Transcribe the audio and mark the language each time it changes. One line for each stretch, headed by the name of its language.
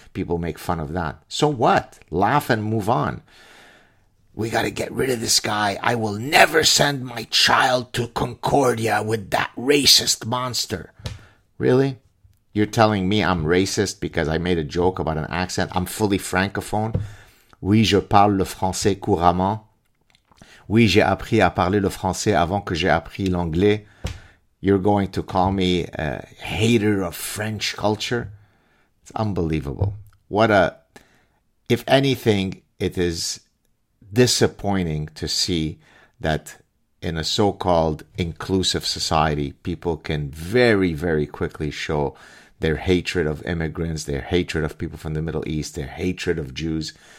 English: People make fun of that. So what? Laugh and move on. We got to get rid of this guy. I will never send my child to Concordia with that racist monster. Really? You're telling me I'm racist because I made a joke about an accent? I'm fully francophone.
French: Oui, je parle le français couramment. Oui, j'ai appris à parler le français avant que j'ai appris l'anglais.
English: You're going to call me a hater of French culture? It's unbelievable. If anything, it is disappointing to see that in a so-called inclusive society, people can very, very quickly show their hatred of immigrants, their hatred of people from the Middle East, their hatred of Jews.